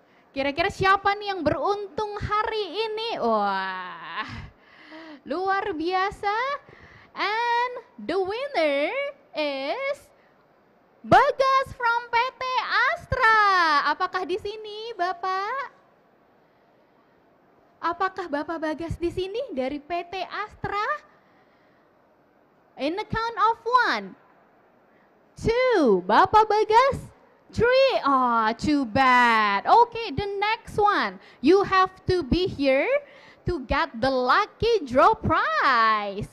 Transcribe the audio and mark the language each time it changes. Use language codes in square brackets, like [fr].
[id] Kira-kira siapa nih yang beruntung hari ini? Wah, luar biasa. [en] And the winner is Bagas from PT Astra. [id] Apakah di sini, Bapak? Apakah Bapak Bagas di sini dari PT Astra? [en] In the count of one, two, Bapak Bagas, three. Oh, too bad. Okay, the next one. You have to be here to get the lucky draw prize.